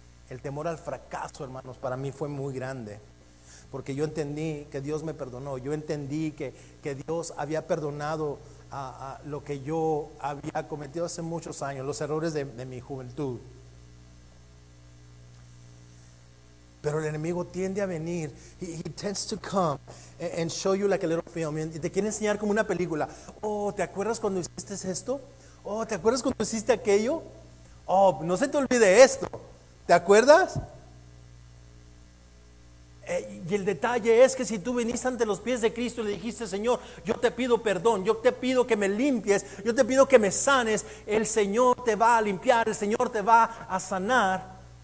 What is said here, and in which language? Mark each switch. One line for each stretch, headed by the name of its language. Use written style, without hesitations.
Spanish: El temor al fracaso, hermanos, para mí fue muy grande. Porque yo entendí que Dios me perdonó. Yo entendí que Dios había perdonado a lo que yo había cometido hace muchos años, los errores de mi juventud. Pero el enemigo tiende a venir.
English: He tends to come and show you like a little film.
Spanish: Y te quiere enseñar como una película. Oh, ¿te acuerdas cuando hiciste esto? Oh, ¿te acuerdas cuando hiciste aquello? Oh, no se te olvide esto. ¿Te acuerdas? Y el detalle es que si tú viniste ante los pies de Cristo y le dijiste: Señor, yo te pido perdón, yo te pido que me limpies, yo te pido que me sanes, el Señor te va a limpiar, el Señor te va a sanar.